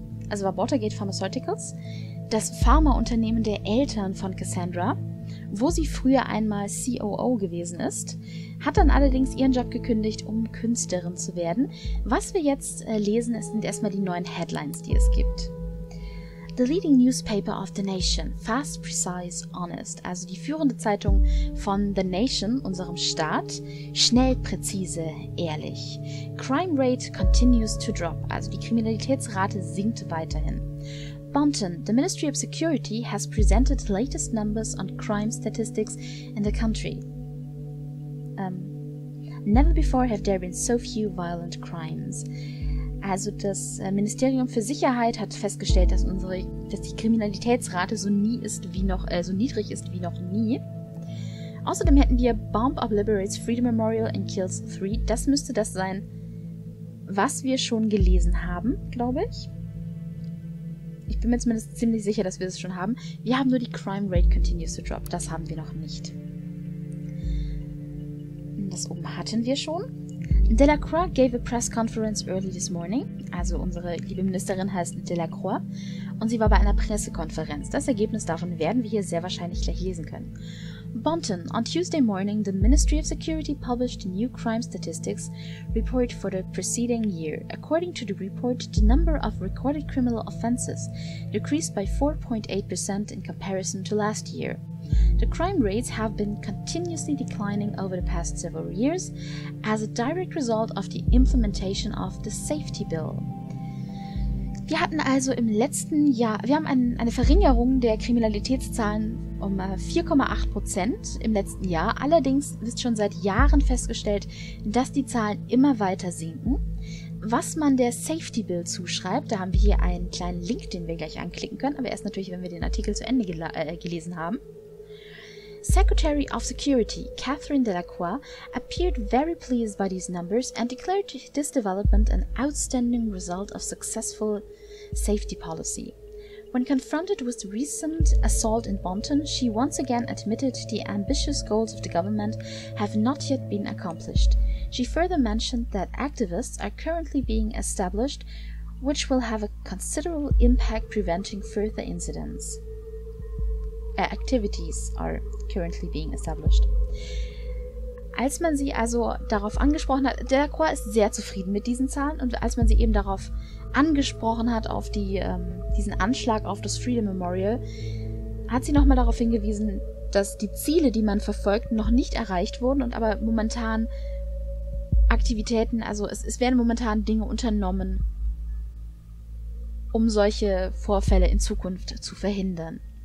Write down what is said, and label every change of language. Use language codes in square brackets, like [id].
[de] Also war Watergate Pharmaceuticals. Das Pharmaunternehmen der Eltern von Cassandra, wo sie früher einmal COO gewesen ist, hat dann allerdings ihren Job gekündigt, um Künstlerin zu werden. Was wir jetzt lesen, sind erstmal die neuen Headlines, die es gibt. [en] The leading newspaper of the nation, fast, precise, honest. [de] Also die führende Zeitung von The Nation, unserem Staat, schnell, präzise, ehrlich. [en] Crime rate continues to drop, [de] also die Kriminalitätsrate sinkt weiterhin. [en] Bonton, the Ministry of Security has presented latest numbers on crime statistics in the country. Never before have there been so few violent crimes. [de] Also das Ministerium für Sicherheit hat festgestellt, dass die Kriminalitätsrate so niedrig ist wie noch nie. Außerdem hätten wir [en] Bomb of Liberates Freedom Memorial and Kills 3. [de] Das müsste das sein, was wir schon gelesen haben, glaube ich. Ich bin mir zumindest ziemlich sicher, dass wir das schon haben. Wir haben nur die [en] Crime Rate Continues to Drop. [de] Das haben wir noch nicht. Das oben hatten wir schon. [en] Delacroix gave a press conference early this morning. [de] Also unsere liebe Ministerin heißt Delacroix. Und sie war bei einer Pressekonferenz. Das Ergebnis davon werden wir hier sehr wahrscheinlich gleich lesen können. [en] Bonton. On Tuesday morning, the Ministry of Security published new crime statistics report for the preceding year. According to the report, the number of recorded criminal offenses decreased by 4.8% in comparison to last year. The crime rates have been continuously declining over the past several years as a direct result of the implementation of the safety bill. [de] Wir hatten also im letzten Jahr, wir haben eine Verringerung der Kriminalitätszahlen um 4,8% im letzten Jahr. Allerdings ist schon seit Jahren festgestellt, dass die Zahlen immer weiter sinken. Was man der Safety Bill zuschreibt, da haben wir hier einen kleinen Link, den wir gleich anklicken können, aber erst natürlich, wenn wir den Artikel zu Ende gelesen haben. [en] Secretary of Security Catherine Delacroix appeared very pleased by these numbers and declared this development an outstanding result of successful safety policy. When confronted with the recent assault in Bonton, she once again admitted the ambitious goals of the government have not yet been accomplished. She further mentioned that activists are currently being established, which will have a considerable impact preventing further incidents. Activities are currently being established. [de] Als man sie also darauf angesprochen hat, Delacroix ist sehr zufrieden mit diesen Zahlen, und als man sie eben darauf angesprochen hat, auf diesen Anschlag auf das Freedom Memorial, hat sie nochmal darauf hingewiesen, dass die Ziele, die man verfolgt, noch nicht erreicht wurden und aber momentan Aktivitäten, also es werden momentan Dinge unternommen, um solche Vorfälle in Zukunft zu verhindern.